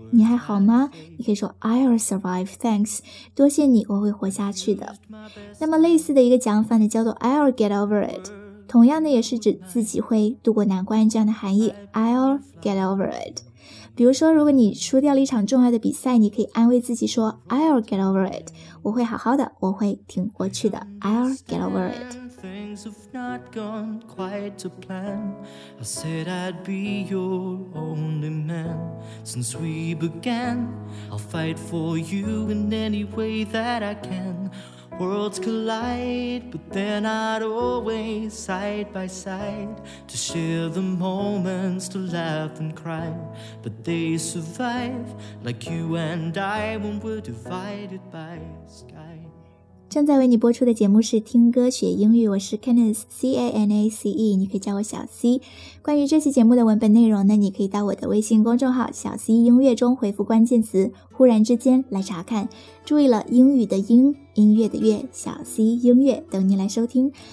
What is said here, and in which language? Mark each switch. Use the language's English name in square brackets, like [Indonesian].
[Chinese] 你还好吗你可以说 [English] I'll survive, thanks [Chinese] 多谢你我会活下去的那么类似的一个讲法呢叫做 [English] I'll get over it [Chinese] 同样呢也是指自己会度过难关这样的含义 I'll get over it 比如说如果你输掉了一场重要的比赛你可以安慰自己说 I'll get over it 我会好好的我会挺过去的 I'll get over it [English] things have not gone quite to plan. I said I'd be your only man since we began. I'll fight for you in any way that I can. Worlds collide, but they're not always side by side. To share the moments, to laugh and cry, but they survive like you and I when we're divided by sky. [Chinese] 正在为你播出的节目是听歌学英语，我是 Canace C-A-N-A-C-E， 你可以叫我小 C。关于这期节目的文本内容呢，你可以到我的微信公众号小 C 音乐中回复关键词忽然之间来查看。注意了，英语的英，音乐的乐，小 C 音乐等你来收听。